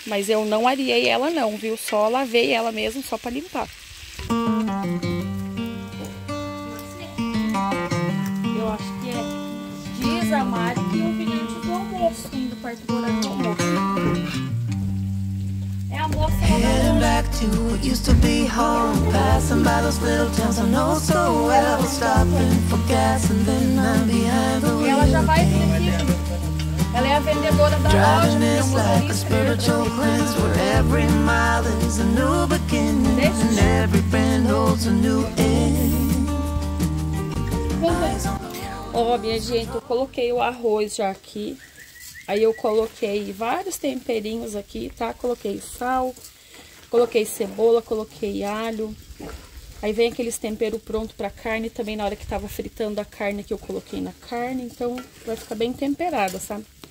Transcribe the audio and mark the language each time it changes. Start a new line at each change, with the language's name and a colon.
Portuguese: Mas eu não areei ela não, viu? Só lavei ela mesmo, só pra limpar. Diz a Mari que o bilhete do almoço indo perto do horário do almoço.
English: Heading back to what used to be home, passing by those little towns I know so well, stopping for gas and then I'm behind the wheel.
Portuguese: Ela já vai vender. Ela é a vendedora da
English: driving Driving is like a spiritual cleanse, where every mile is a new beginning, and every bend holds a new end.
Portuguese: Ó, oh, minha gente, eu coloquei o arroz já aqui, aí eu coloquei vários temperinhos aqui, tá? Coloquei sal, coloquei cebola, coloquei alho, aí vem aqueles temperos prontos pra carne também, na hora que tava fritando a carne que eu coloquei na carne, então vai ficar bem temperada, sabe?